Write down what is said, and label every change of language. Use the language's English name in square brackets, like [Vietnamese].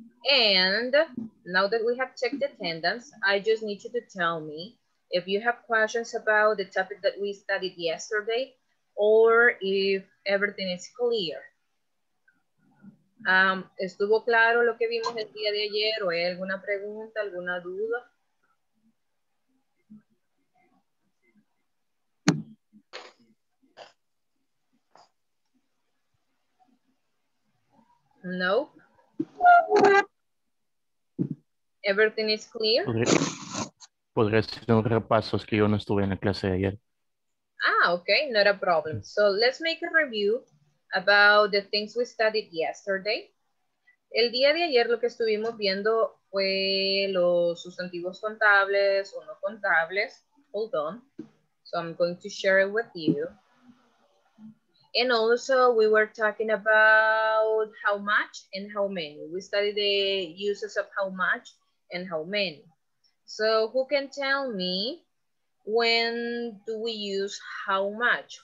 [English] And now that we have checked attendance, I just need you to tell me if you have questions about the topic that we studied yesterday or if everything is clear. [Spanish] ¿Estuvo claro lo que vimos el día de ayer? ¿O hay alguna pregunta, alguna duda? No. [English] Everything is clear. [Spanish] Podría hacer un repaso, es que yo no estuve en la clase de ayer. [English] Ah, okay, not a problem. So let's make a review about the things we studied yesterday. [Spanish] El día de ayer lo que estuvimos viendo fue los sustantivos contables o no contables. [English] Hold on. So I'm going to share it with you. And also, we were talking about how much and how many. We studied the uses of how much and how many. So who can tell me when do we use how much?